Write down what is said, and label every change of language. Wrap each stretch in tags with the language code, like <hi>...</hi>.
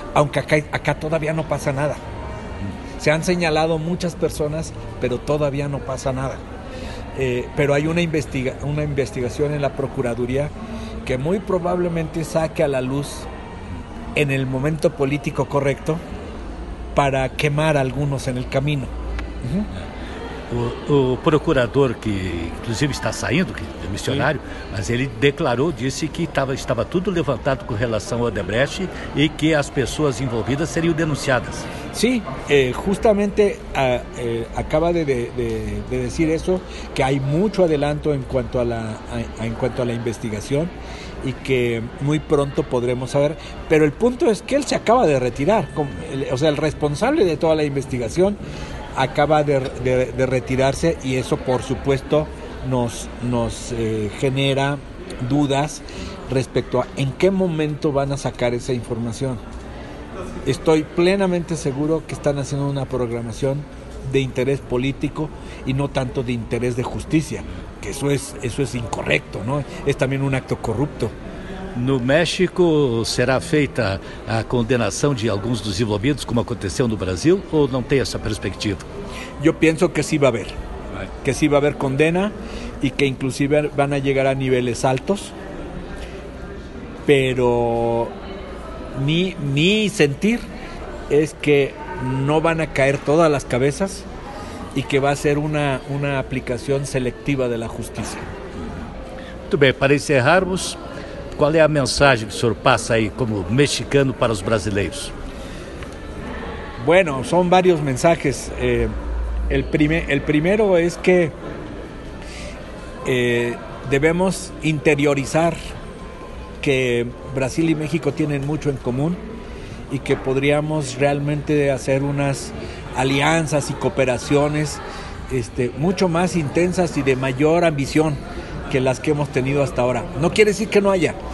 <es>Aunque acá todavía no pasa nada. Se han señalado muchas personas, pero todavía no pasa nada. Pero hay una investigación en la Procuraduría que muy probablemente saque a la luz en el momento político correcto para quemar a algunos en el camino.</es> <pt>O procurador, que inclusive está saindo, que é missionário, sim, mas ele declarou, disse que estava tudo levantado com relação ao Odebrecht e que as pessoas envolvidas seriam denunciadas. Sim, justamente acaba de dizer isso, que há muito adelanto em quanto à investigação e que muito pronto podremos saber. Mas o ponto é que ele se acaba de retirar, o responsável de toda a investigação acaba de retirarse,</pt> <es>y eso por supuesto nos genera dudas respecto a en qué momento van a sacar esa información. Estoy plenamente seguro que están haciendo una programación de interés político y no tanto de interés de justicia, que eso es incorrecto, ¿no? Es también un acto corrupto.</es> <pt>No México será feita a condenação de alguns dos envolvidos, como aconteceu no Brasil, ou não tem essa perspectiva? Eu penso que sim, vai haver condena e que inclusive vão chegar a níveis altos.</pt> <es>Pero mi sentir es que no van a caer todas las cabezas y que va a ser una aplicación selectiva de la justicia.</es> <pt>Muito bem, para encerrarmos, qual é a mensagem que o senhor passa aí como mexicano para os brasileiros? Bueno, são vários mensagens.</pt> <es>El primero es que debemos interiorizar que Brasil y México tienen mucho en común y que podríamos realmente hacer unas alianzas y cooperaciones mucho más intensas y de mayor ambición que las que hemos tenido hasta ahora. No quiere decir que no haya.</es>